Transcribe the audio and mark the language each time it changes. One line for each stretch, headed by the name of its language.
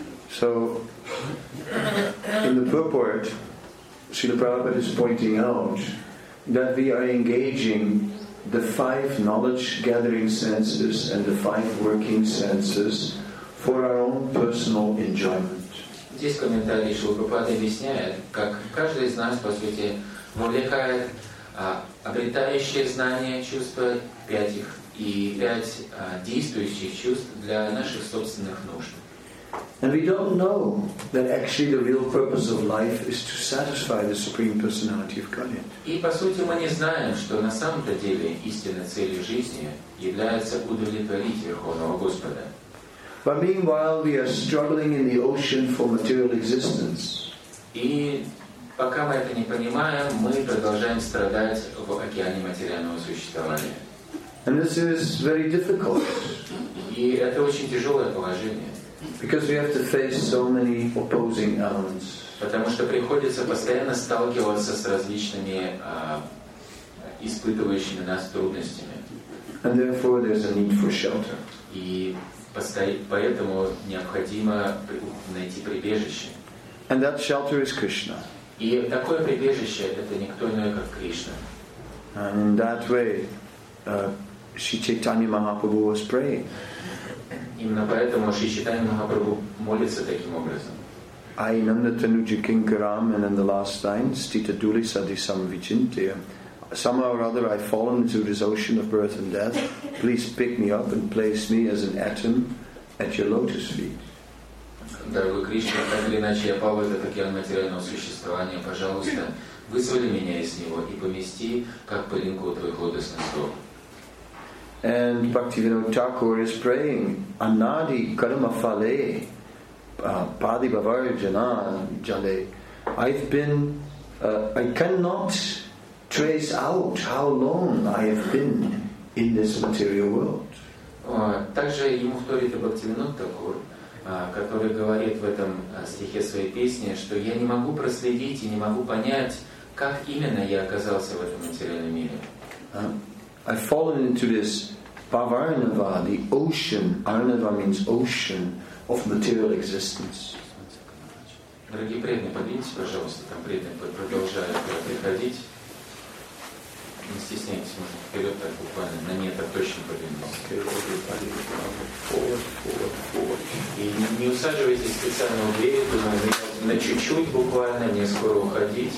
English: So, in the purport, Srila Prabhupada is pointing out that we are engaging the five knowledge-gathering senses and the five working senses for our own personal enjoyment.
Russian: Здесь комментарий Шрилы Прабхупады объясняет, как каждый из нас, по сути, увлекает обретающие знания, чувства, пять их, и пять действующих чувств для наших собственных нужд.
English: And we don't know that actually the real purpose of life is to satisfy the Supreme Personality of Godhead.
Russian: И по сути мы не знаем, что на самом-то деле истинной целью жизни является удовлетворить Верховного Господа.
English: But meanwhile, we are struggling in the ocean for material existence.
Russian: И пока мы это не понимаем, мы продолжаем страдать в океане материального существования.
English: And this is very difficult.
Russian: И это очень тяжелое положение.
English: Because we have to face so many opposing elements.
Russian: Потому что приходится постоянно сталкиваться с различными испытывающими нас трудностями.
English: And therefore there's a need for shelter.
Russian: И поэтому необходимо найти прибежище.
English: And that shelter is Krishna.
Russian: И такое прибежище это никто иной как Кришна.
English: And in that way, Sri Chaitanya Mahaprabhu was praying.
Russian: Именно поэтому Шри Чайтанья Махапрабху молится таким образом.
Sanskrit: I nanda tanuja kinkaram
English: and in the last line
Sanskrit: stita duli sadhi samvichintya.
English: Somehow or other I've fallen into this ocean of birth and death. Please pick me up and place me as an atom at your lotus feet.
Russian: Дорогой Кришна, так или иначе я пал в этот океан материального существования. Пожалуйста, вызволи меня из него и помести как пылинку твоих лотосных стоп.
English: And Bhaktivinoda Thakur is praying,
Bangla: Anadi karma phale, padibhavarjana jale.
English: I cannot trace out how long I have been in this material world.
Russian: Также ему вторит и Бхактивинод Такур, который говорит в этом стихе своей песни, что я не могу проследить и не могу понять, как именно я оказался в этом материальном мире.
English: I've fallen into this Bhavarnava, the ocean. Arnava means ocean of material existence.
Russian: Дорогие преданные, поднимитесь, пожалуйста, там преданные продолжают приходить. Не стесняйтесь, можно вперед так буквально, на нет, так точно поднимитесь. И не усаживайтесь специально у двери, думаю, на чуть-чуть буквально, не скоро уходить.